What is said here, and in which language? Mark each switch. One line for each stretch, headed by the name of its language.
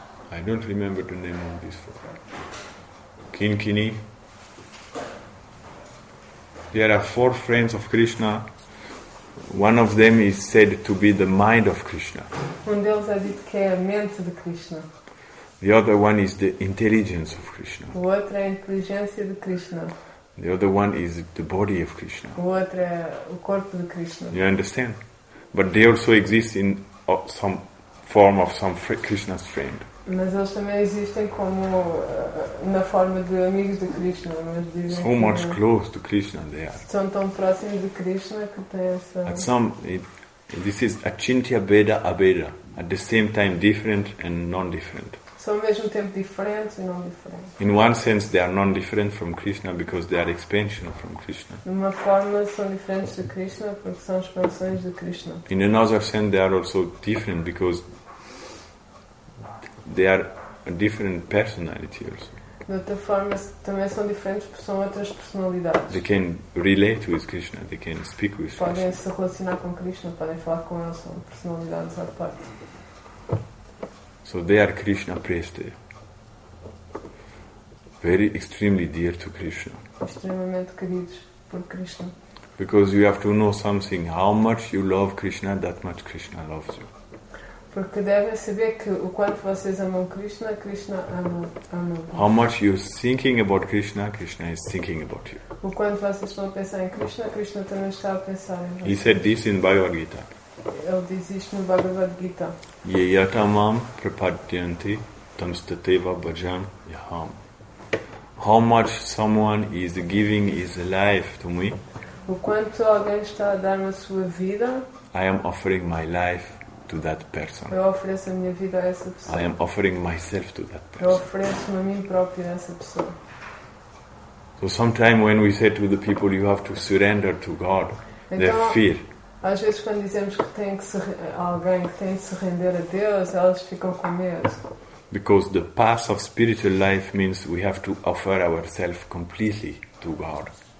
English: I don't remember the name of these four. Kinkini. There are four friends of Krishna. One of them is said to be the mind of Krishna.
Portuguese: Um deles é dito que é a mente de Krishna.
English: The other one is the intelligence of Krishna.
Portuguese: O outro é a inteligência de Krishna.
English: The other one is the body of Krishna.
Portuguese: O outro é o corpo de Krishna.
English: You understand? But they also exist in some form of some Krishna's friend.
Portuguese: Mas eles também existem como na forma de amigos de Krishna. Mas dizem
English: so much close to Krishna they are.
Portuguese: São tão próximos de Krishna que tem essa...
English: At some, this is Achintya Bheda Abheda. At the same time different and non-different.
Portuguese: São ao mesmo tempo diferentes e non-diferentes.
English: In one sense they are non-different from Krishna because they are expansion from Krishna.
Portuguese: Numa forma são diferentes de Krishna porque são expansões de Krishna.
English: In another sense they are also different because they are a different personality also.
Portuguese: De outra forma, também são diferentes porque são outras personalidades.
English: They can relate with Krishna, they can speak with
Portuguese: podem Podem se relacionar com Krishna, podem falar com ele, são personalidades à parte.
English: So they are Krishna Prestaya. Very extremely dear to Krishna.
Portuguese: Extremamente queridos por Krishna.
English: Because you have to know something, how much you love Krishna, that much Krishna loves you.
Portuguese: Porque devem saber que o quanto vocês amam Krishna, Krishna ama.
English: How much you're thinking about Krishna, Krishna is thinking about you.
Portuguese: O quanto vocês estão a pensar em Krishna, Krishna também está a pensar em vocês.
English: He said this in Bhagavad Gita.
Portuguese: Ele diz isto no Bhagavad Gita.
Sanskrit: Yeyatamam prapadyanti tamstateva bhajam yaham.
English: How much someone is giving his life to me.
Portuguese: O quanto alguém está a dar na sua vida.
English: I am offering my life to that person.
Portuguese: Eu ofereço a minha vida a essa pessoa.
English: I am offering myself to that person.
Portuguese: Eu ofereço-me a mim próprio a essa pessoa.
English: So sometimes when we say to the people you have to surrender to God,
Portuguese: então,
English: they fear.
Portuguese: Às vezes quando dizemos que tem que ser alguém que tem que se render a Deus, elas ficam com medo.
English: Because the path of spiritual life means we have to offer ourselves completely to God.